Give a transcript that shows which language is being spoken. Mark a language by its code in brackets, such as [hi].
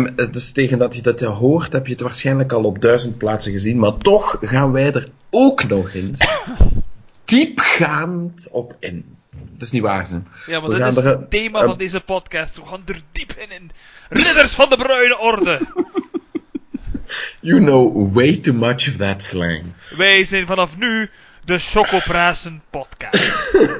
[nl] Dus tegen dat je dat hoort, heb je het waarschijnlijk al op 1000 plaatsen gezien. Maar toch gaan wij er ook nog eens diepgaand op in. Dat is niet waar, zijn. Ja, maar dat is het thema van deze podcast. We gaan er diep in. Ridders van de Bruine Orde. [en] You know way too much of that slang. [nl] Wij zijn vanaf nu de Chocopraassen podcast.